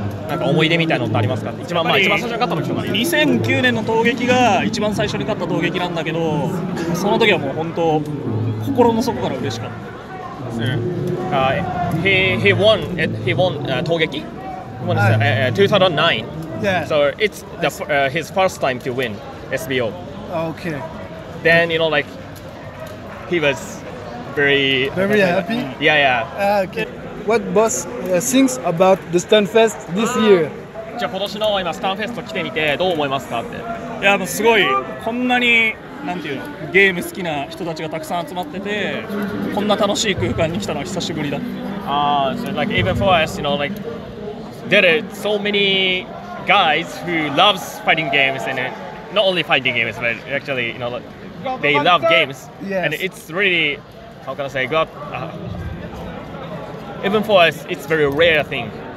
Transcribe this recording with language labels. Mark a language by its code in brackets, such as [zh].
[ja] なんか思い出みたいなのってありますか？一番最初に勝った時とかね。 2009年の投撃が一番最初に勝った投撃なんだけど、その時はもう本当心の底から嬉しかった。 [en] He won 投撃。2009. Yeah. So it's the his first time to win SBO. Okay. Then you know like he was very happy. Yeah. Okay. what boss thinks about the Stunfest this year? [ja] じゃあ今年の今スタンフェスト来てみてどう思いますかって。いやもうすごいこんなになんていうのゲーム好きな人たちがたくさん集まっててこんな楽しい空間に来たのは久しぶりだ。 [en] Ah, so like even for us, you know, like there are so many guys who loves fighting games and not only fighting games, but actually, you know, they love games. Yes. And it's really, how can I say, God, even for us, it's very rare thing.